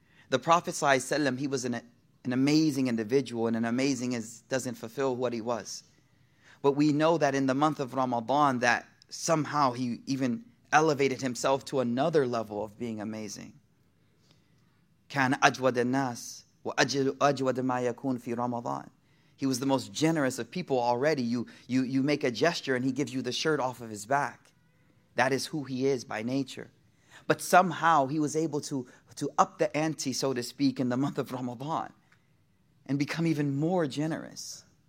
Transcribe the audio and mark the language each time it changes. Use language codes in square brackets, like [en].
[en] The Prophet ﷺ, he was an amazing individual, and an amazing is doesn't fulfill what he was. But we know that in the month of Ramadan, that somehow he even elevated himself to another level of being amazing. [ar] كان أجود الناس وأجود ما يكون في رمضان. [en] He was the most generous of people already. You make a gesture and he gives you the shirt off of his back. That is who he is by nature. But somehow he was able to up the ante, so to speak, in the month of Ramadan and become even more generous.